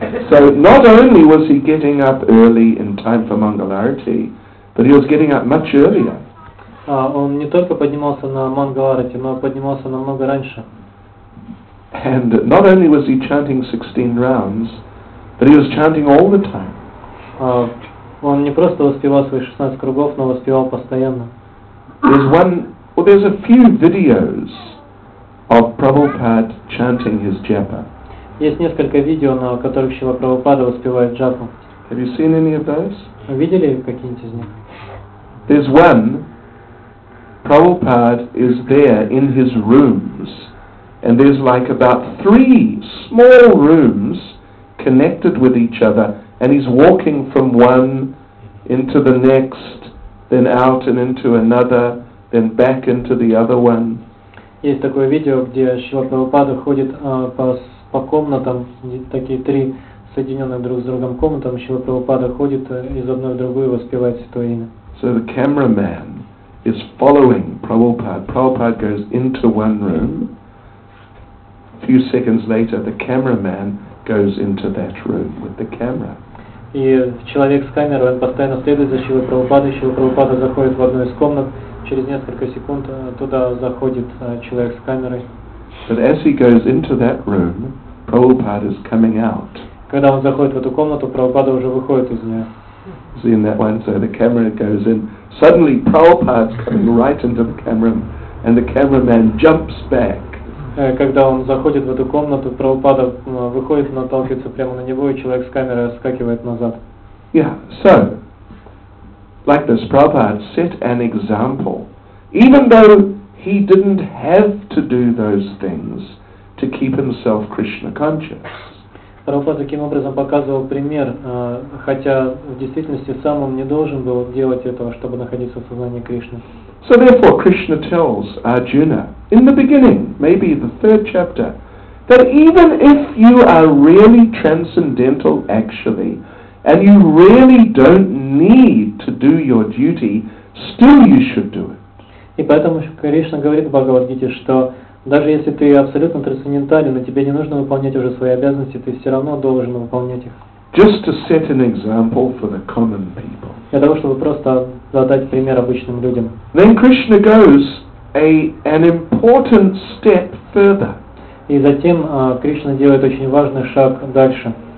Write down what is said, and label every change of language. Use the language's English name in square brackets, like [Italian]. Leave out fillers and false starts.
[English] So not only was he getting up early in time for Mangalarati, but he was getting up much earlier. [Russian] Он не только поднимался на Мангаларати, но поднимался намного раньше. [English] And not only was he chanting 16 rounds, but he was chanting all the time. [Russian] Он не просто воспевал свои 16 кругов, но воспевал постоянно. [English] There's a few videos of Prabhupada chanting his japa. [Russian] Есть несколько видео, на которых Шрила Прабхупада воспевает джапу. [English] Have you seen any of those? [Russian] Вы видели какие-нибудь из них? [English] There's one. Prabhupada is there in his rooms, and there's like about 3 small rooms connected with each other, and he's walking from one into the next, then out and into another. Then back into the other one. [Russian] Есть такое видео, где Шрила Прабхупада ходит по комнатам, такие 3 соединенных друг с другом комнатам. Шрила Прабхупада ходит из одной в другую, воспевает Святое Имя. [English] So the cameraman is following Prabhupada. Prabhupada goes into one room. A few seconds later, the cameraman goes into that room with the camera. [Russian] И человек с камерой, он постоянно следует за Шрилой Прабхупадой. Шрила Прабхупада заходит в одну из комнат. Через несколько секунд туда заходит человек с камерой. [English] But as he goes into that room, Prabhupada is coming out. [Russian] Когда он заходит в эту комнату, Прабхупада уже выходит из нее. [English] See, in that one, so the camera goes in. Suddenly, Prabhupada's coming right into the camera, and the cameraman jumps back. [Russian] Когда он заходит в эту комнату, Прабхупада выходит, наталкивается прямо на него, и человек с камерой отскакивает назад. [English] Yeah, so. Like this, Prabhupada set an example. Even though he didn't have to do those things to keep himself Krishna conscious. [Russian] Prabhupada таким образом показывал пример, хотя в действительности сам он не должен был делать этого, чтобы находиться в сознании Кришны. [English] So therefore, Krishna tells Arjuna in the beginning, maybe the 3rd chapter, that even if you are really transcendental, actually. And you really don't need to do your duty, still you should do it. [Russian] И поэтому Кришна говорит в Бхагавад-гите, что даже если ты абсолютно трансцендентален, и тебе не нужно выполнять уже свои обязанности, ты все равно должен выполнять их. [English] Just to set an example for the common people. [Russian] Для того, чтобы просто задать пример обычным людям. [English] Then Krishna goes an important step further. [Russian] И затем Кришна делает очень важный шаг дальше.